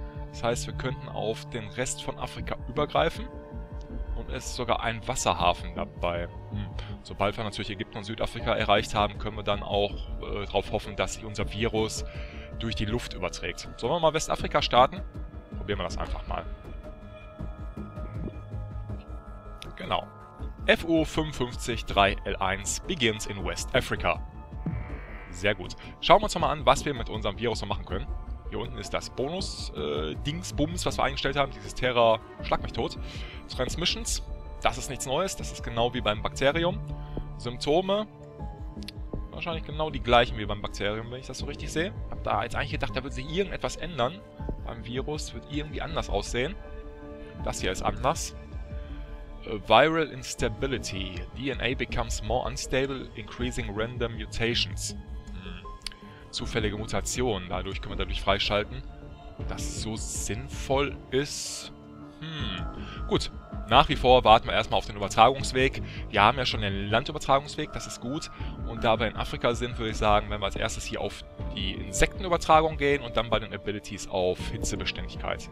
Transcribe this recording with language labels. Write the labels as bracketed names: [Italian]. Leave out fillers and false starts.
[German] Das heißt, wir könnten auf den Rest von Afrika übergreifen. Und es ist sogar ein Wasserhafen dabei. Sobald wir natürlich Ägypten und Südafrika erreicht haben, können wir dann auch darauf hoffen, dass sich unser Virus durch die Luft überträgt. Sollen wir mal Westafrika starten? Probieren wir das einfach mal. Genau. [English] FU553L1 begins in West Africa. [German] Sehr gut. Schauen wir uns nochmal an, was wir mit unserem Virus noch machen können. Hier unten ist das Bonus-Dingsbums, was wir eingestellt haben. Dieses Terra, schlag mich tot. Transmissions, das ist nichts Neues. Das ist genau wie beim Bakterium. Symptome, wahrscheinlich genau die gleichen wie beim Bakterium, wenn ich das so richtig sehe. Hab da jetzt eigentlich gedacht, da wird sich irgendetwas ändern. Beim Virus wird irgendwie anders aussehen. Das hier ist anders. Viral Instability. [English] DNA becomes more unstable, increasing random mutations. [German] Zufällige Mutationen. Dadurch können wir dadurch freischalten. Dass es so sinnvoll ist. Gut. Nach wie vor warten wir erstmal auf den Übertragungsweg. Wir haben ja schon den Landübertragungsweg, das ist gut. Und da wir in Afrika sind, würde ich sagen, wenn wir als erstes hier auf die Insektenübertragung gehen und dann bei den Abilities auf Hitzebeständigkeit.